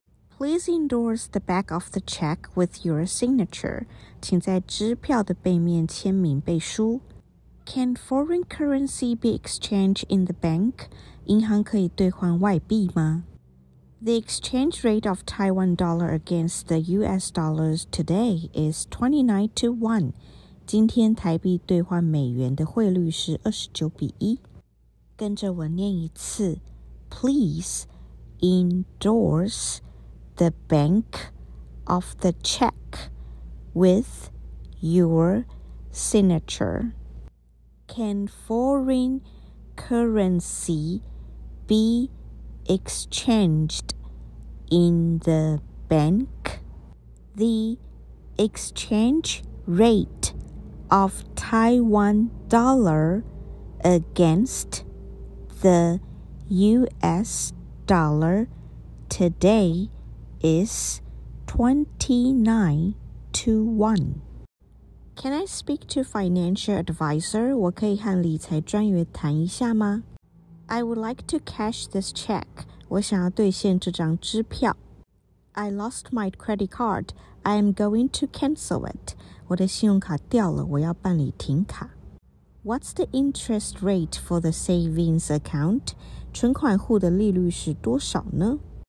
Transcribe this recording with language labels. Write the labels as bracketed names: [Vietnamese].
[English] Please endorse the back of the check with your signature. [Chinese] 请在支票的背面签名背书。 [English] Can foreign currency be exchanged in the bank? [Chinese] 银行可以兑换外币吗? [English] The exchange rate of Taiwan dollar against the US dollars today is 29 to 1. [Chinese] 今天台币兑换美元的汇率是29比1。跟着我念一次。 [English] Please endorse the back of the check with your signature. Can foreign currency be exchanged in the bank? The exchange rate of Taiwan dollar against the US dollar today is 29 to 1. Can I speak to financial advisor? [Chinese] 我可以和理财专员谈一下吗? [English] I would like to cash this check. [Chinese] 我想要兑现这张支票。 [English] I lost my credit card. I am going to cancel it. [Chinese] 我的信用卡掉了,我要办理停卡。 [English] What's the interest rate for the savings account? [Chinese] 存款户的利率是多少呢?